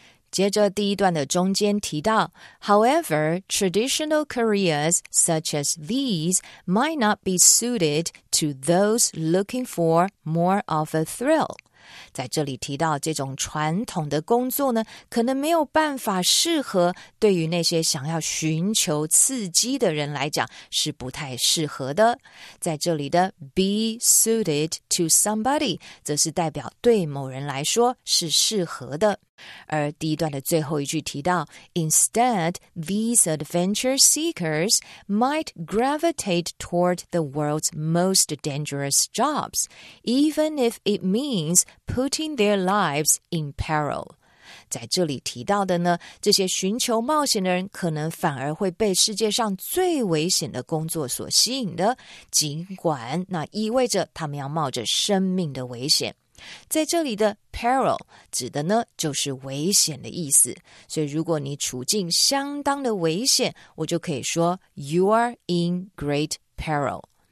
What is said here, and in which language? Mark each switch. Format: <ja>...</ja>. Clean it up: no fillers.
<zh>接着第一段的中间提到</zh> <en>However, traditional careers such as these might not be suited to those looking for more of a thrill.</en> <zh>在这里提到这种传统的工作呢，可能没有办法适合对于那些想要寻求刺激的人来讲是不太适合的。在这里的</zh> <en>be suited to somebody</en> <zh>则是代表对某人来说是适合的。而第一段的最后一句提到</zh> <en>Instead, these adventure seekers might gravitate toward the world's most dangerous jobs, even if it means putting their lives in peril.</en> <zh>在这里提到的呢，这些寻求冒险的人可能反而会被世界上最危险的工作所吸引的，尽管那意味着他们要冒着生命的危险。在这里的 peril 指的呢就是危险的意思，所以如果你处境相当的危险，我就可以说</zh> <en>you are in great peril。</en>